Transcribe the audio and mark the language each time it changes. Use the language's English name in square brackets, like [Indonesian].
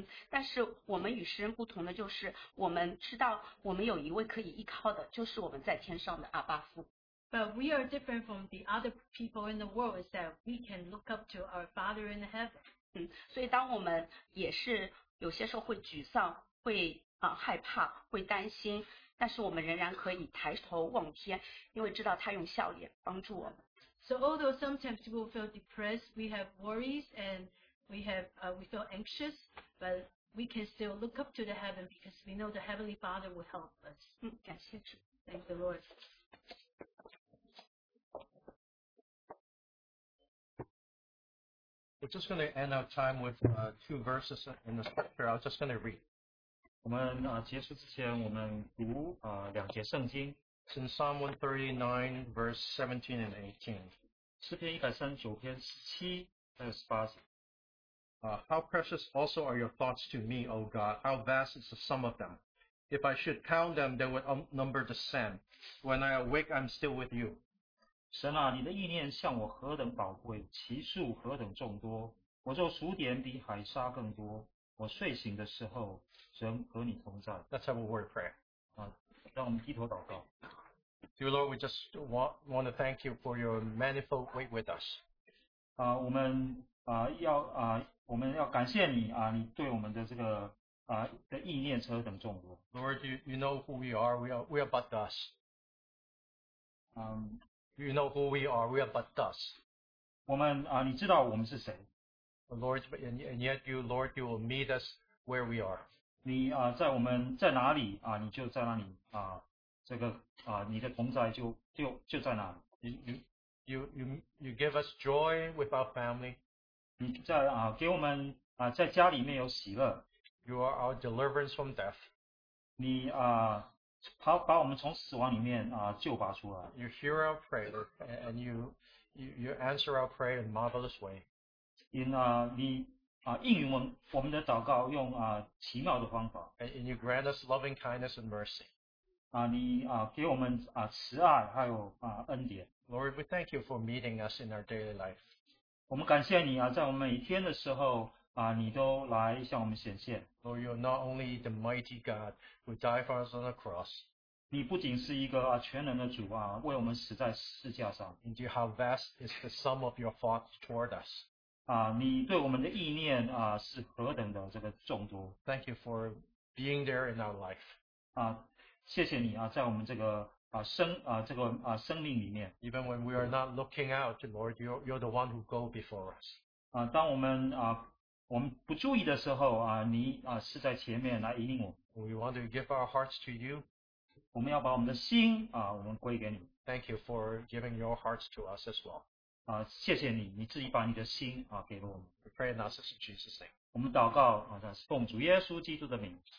[Chinese] 但是我们与世人不同的就是，我们知道我们有一位可以依靠的，就是我们在天上的阿爸父。 [English] But we are different from the other people in the world is that we can look up to our Father in heaven. [Chinese] 所以当我们也是有些时候会沮丧，会害怕，会担心，但是我们仍然可以抬头望天，因为知道他用笑脸帮助我们。 [English] So although sometimes we feel depressed, we have worries and we feel anxious, but we can still look up to the heaven because we know the Heavenly Father will help us. [Chinese] 感谢主。 [English] Thank the Lord. We're just going to end our time with two verses in the scripture. I'm just going to read. [Chinese] 我们结束之前，我们读两节圣经。 [English] It's in Psalm 139, verse 17 and 18. [Chinese] 诗篇139篇17还有18节。 [English] How precious also are your thoughts to me, O God. How vast is the sum of them. If I should count them, they would number the sand. When I awake, I'm still with you. [Chinese] 神啊，你的意念向我何等宝贵，其数何等众多，我做数点比海沙更多，我睡醒的时候，神和你同在。 [English] Let's have a word of prayer. [Chinese] 让我们低头祷告。 [English] Dear Lord, we just want to thank you for your manifold way with us. [Chinese] 我们要感谢你你对我们的这个的意念何等众多。 [English] Lord, you know who we are but dust. You know who we are. We are but dust. [Chinese] 我们你知道我们是谁 [English] ？Lord, and yet you, Lord, you will meet us where we are. [Chinese] 你在我们在哪里你就在那里这个你的同在就在那里。 [English] You give us joy with our family. [Chinese] 你在给我们在家里面有喜乐。 [English] You are our deliverance from death. [Chinese] 你把我们从死亡里面救拔出来。 [English] You hear our prayer and you answer our prayer in a marvelous way. [Chinese] 你应允我们的祷告用奇妙的方法。 [English] And you grant us loving kindness and mercy. [Chinese] 给我们慈爱还有恩典。 [English] Lord, we thank you for meeting us in our daily life. [Chinese] 我们感谢你在我们每天的时候你都来向我们显现。 [English] Lord, you are not only the mighty God who died for us on the cross. [Chinese] 你不仅是一个啊全能的主啊，为我们死在十字架上。 [English] And you, how vast is the sum of your thoughts toward us? [Chinese] 啊，你对我们的意念啊是何等的这个众多。 [English] Thank you for being there in our life. [Chinese] 啊，谢谢你啊，在我们这个啊生啊这个啊生命里面。 [English] Even when we are not looking out, Lord, you're the one who go before us. [Chinese] 啊，当我们啊我们不注意的时候啊，你啊是在前面来引领我。 [English] We want to give our hearts to you. [Chinese] 我们要把我们的心啊，我们归给你。 [English] Thank you for giving your hearts to us as well. [Chinese] 啊，谢谢你，你自己把你的心啊给了我们。 [English] We pray in our sister Jesus' name. [Chinese] 我们祷告啊，奉主耶稣基督的名。